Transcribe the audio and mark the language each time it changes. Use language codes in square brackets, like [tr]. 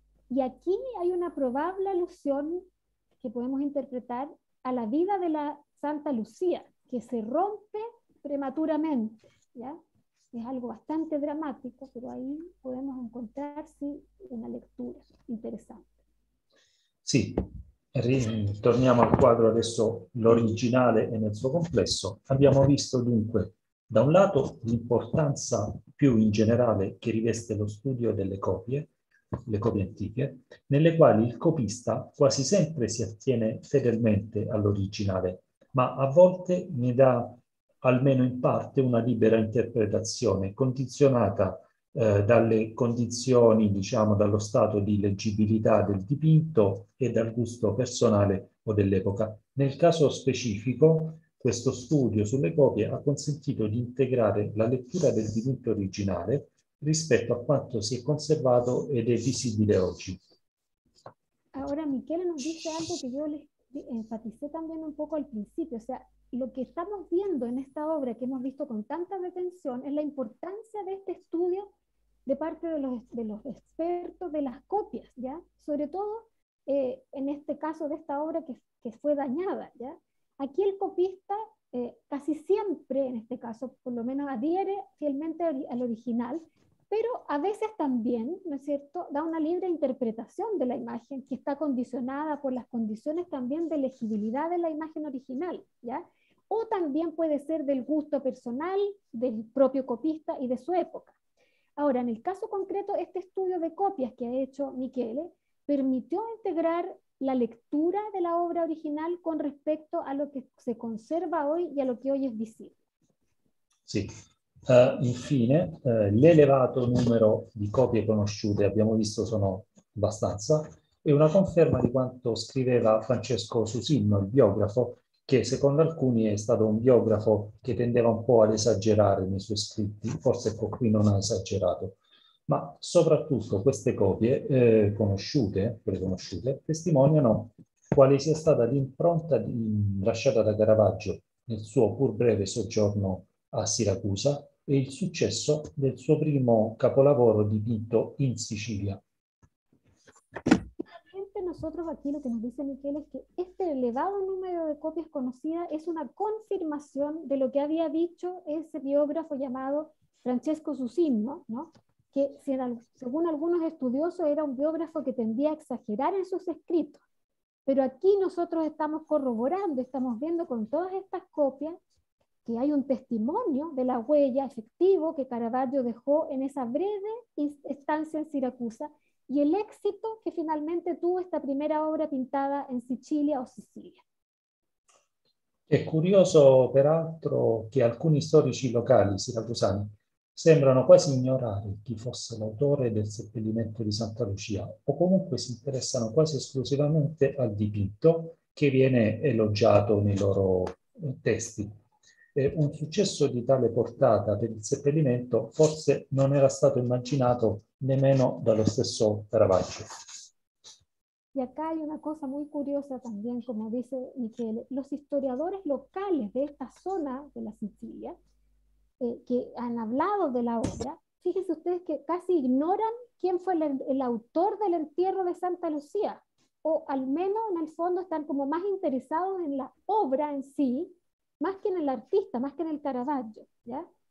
[es] Y aquí hay una probable alusión que podemos interpretar a la vida de la Santa Lucía, que se rompe prematuramente, ¿ya? Es algo bastante dramático, pero ahí podemos encontrar sí, una lectura interesante. Sí, [it] Torniamo al quadro adesso, l'originale e nel suo complesso. Abbiamo visto dunque, da un lato, l'importanza più in generale che riveste lo studio delle copie, le copie antiche, nelle quali il copista quasi sempre si attiene fedelmente all'originale, ma a volte ne dà almeno in parte una libera interpretazione, condizionata dalle condizioni, diciamo, dallo stato di leggibilità del dipinto e dal gusto personale o dell'epoca. Nel caso specifico, questo studio sulle copie ha consentito di integrare la lettura del dipinto originale rispetto a quanto si è conservato ed è visibile oggi. [es] Ora Michele nos dice algo che yo le enfaticé también un poco al principio, o sea, lo que estamos viendo en esta obra que hemos visto con tanta detención es la importancia de este estudio de parte de los expertos de las copias, ¿ya? Sobre todo en este caso de esta obra que fue dañada, ¿ya? Aquí el copista casi siempre, en este caso, por lo menos adhiere fielmente al original, pero a veces también, ¿no es cierto?, da una libre interpretación de la imagen que está condicionada por las condiciones también de legibilidad de la imagen original, ¿ya? O también puede ser del gusto personal del propio copista y de su época. Ahora, en el caso concreto, este estudio de copias que ha hecho Michele permitió integrar la lectura de la obra original con respecto a lo que se conserva hoy y a lo que hoy es visible. Sí. [it] Infine, l'elevato numero di copie conosciute, abbiamo visto sono abbastanza, è una conferma di quanto scriveva Francesco Susino, il biografo, che secondo alcuni è stato un biografo che tendeva un po' ad esagerare nei suoi scritti, forse ecco qui non ha esagerato. Ma soprattutto queste copie conosciute, preconosciute, testimoniano quale sia stata l'impronta lasciata da Caravaggio nel suo pur breve soggiorno a Siracusa e il successo del suo primo capolavoro dipinto in Sicilia. [es] Nosotros aquí lo que nos dice Michele es que este elevado número de copias conocidas es una confirmación de lo que había dicho ese biógrafo llamado Francesco Susino, ¿no? Que según algunos estudiosos era un biógrafo que tendía a exagerar en sus escritos. Pero aquí nosotros estamos corroborando, estamos viendo con todas estas copias que hay un testimonio de la huella efectivo que Caravaggio dejó en esa breve estancia en Siracusa y el éxito que finalmente tuvo esta primera obra pintada en Sicilia o Sicilia. [it] È curioso, peraltro, che alcuni storici locali siracusani sembrano quasi ignorare chi fosse l'autore del seppellimento di Santa Lucia, o comunque si interessano quasi esclusivamente al dipinto che viene elogiato nei loro testi. Un successo di tale portata per il seppellimento forse non era stato immaginato nemmeno dallo stesso Caravaggio. [es] Y acá hay una cosa muy curiosa también, como dice Michele, los historiadores locales de esta zona de la Sicilia, que han hablado de la obra, fíjense ustedes que casi ignoran quién fue el autor del entierro de Santa Lucía, o al menos en el fondo están como más interesados en la obra en sí, más que en el artista, más que en el Caravaggio, ¿ya?